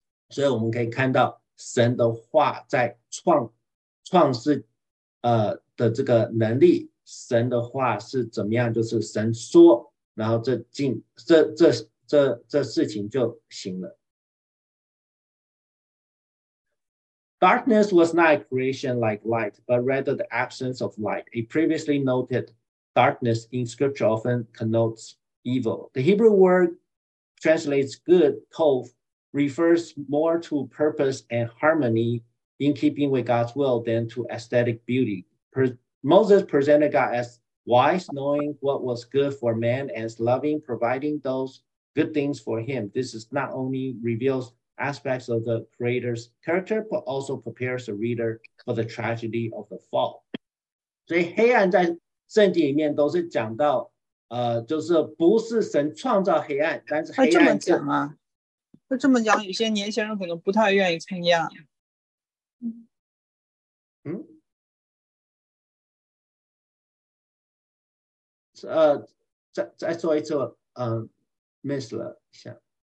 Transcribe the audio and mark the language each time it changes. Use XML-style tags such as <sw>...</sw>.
<zh>所以我们可以看到神的话在创世的这个能力，神的话是怎么样，就是神说，然后这事情就行了。</zh> <en>Darkness was not a creation like light, but rather the absence of light. A previously noted darkness in scripture often connotes evil. The Hebrew word translates good, tov,refers more to purpose and harmony in keeping with God's will than to aesthetic beauty. Moses presented God as wise, knowing what was good for man, as loving, providing those good things for him. This is not only reveals aspects of the creator's character, but also prepares the reader for the tragedy of the fall.</en> <zh>所以黑暗在圣经里面都是讲到，就是不是神创造黑暗，但是黑暗这么讲啊，那这么讲，有些年轻人可能不太愿意参加。嗯，再说一次，miss 了一下。</zh>